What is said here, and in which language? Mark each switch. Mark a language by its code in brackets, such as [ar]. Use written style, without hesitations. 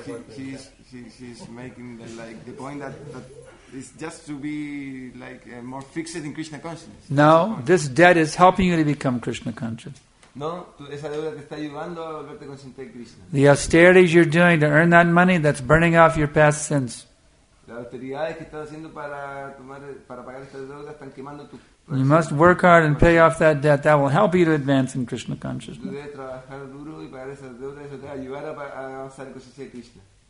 [en] She's making the point that it's just to be like more fixed in Krishna consciousness. No, this debt is helping you to become Krishna conscious. [es] No, esa deuda te está ayudando a volverte consciente de Krishna. [en] The austerities you're doing to earn that money, that's burning off your past sins. [es] Las austeridades que estás haciendo para pagar esta deuda están quemando tu... [en] You must work hard and pay off that debt. That will help you to advance in Krishna consciousness. [es] Tú debes trabajar duro y pagar esa deuda, eso te va a ayudar a avanzar en conciencia de Krishna.